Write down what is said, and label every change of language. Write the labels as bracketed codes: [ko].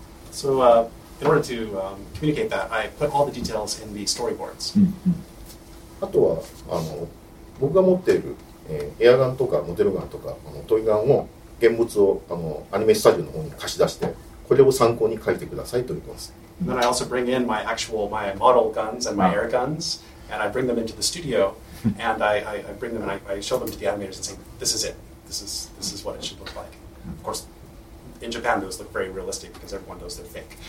[en] So, in order to communicate that, I put all the details in the storyboards. [ja] あとは僕が持っているエアガンとかモデルガンとかトイガンを現物をアニメスタジオの方に貸し出して、これを参考に描いてください。と言います。 [en] Then I also bring in my actual my model guns and my air guns, and I bring them into the studio, and I bring them and I show them to the animators and say, "This is it. This is what it should look like." Of course. In Japan, those look very realistic because everyone knows they're fake.